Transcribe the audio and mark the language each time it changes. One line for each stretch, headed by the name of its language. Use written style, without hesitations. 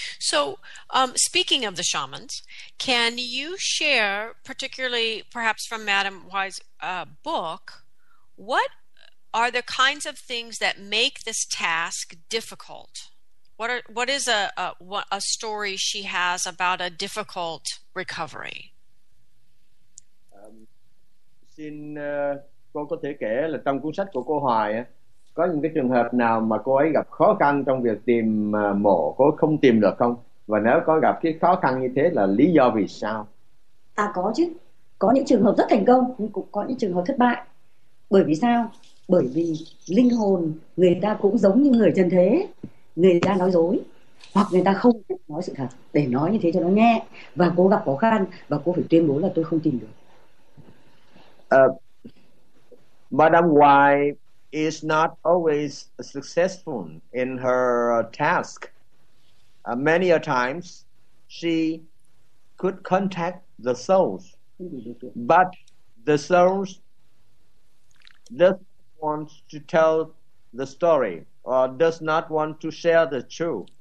English: So, speaking of the shamans, can you share, particularly perhaps from Madam Y's book, what are the kinds of things that make this task difficult? What is a story she has about a difficult recovery?
Vietnamese: Xin cô có thể kể là trong cuốn sách của cô Hoài có những cái trường hợp nào mà cô ấy gặp khó khăn trong việc tìm mộ, cô không tìm được không? Và nếu có gặp cái khó khăn như thế là lý do vì sao? À có chứ, có những trường hợp rất thành công nhưng cũng có những trường hợp thất bại. Bởi vì sao? Bởi vì linh hồn người ta cũng giống như người trần thế, người ta nói dối hoặc người ta không nói sự thật để nói như thế cho nó nghe, và cô gặp khó khăn và cô phải tuyên bố là tôi không tìm được.
English: Madam Y is not always successful in her task. Many a times she could contact the souls, but the souls just want to tell the story or does not want to share the truth.